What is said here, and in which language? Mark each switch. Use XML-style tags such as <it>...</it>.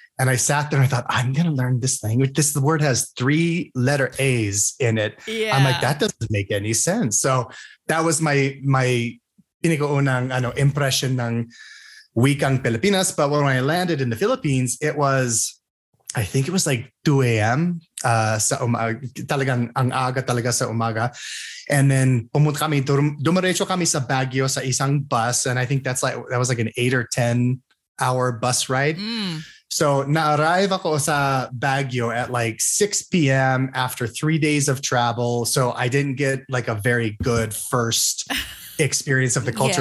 <en>And I sat there and I thought, I'm going to learn this language. This word has 3 letter A's in it. Yeah. I'm like, that doesn't make any sense. So that was my</en> <tl>pinakaunang impression ng wikang Pilipinas.</tl> <en>But when I landed in the Philippines, it was, I think it was like 2 a.m.</en> <tl>Sa umaga, talagang ang aga talaga sa umaga.</tl> <en>And then</en> <tl>pumunta kami, dumiretso kami sa Baguio sa isang bus.</tl> <en>And I think that was like an 8 or 10 hour bus ride. Mm.</en> <tl>So na-arrive ako sa Baguio</tl> <en>at like 6 p.m. after 3 days of travel. So I didn't get like a very good first experience of the culture.</en>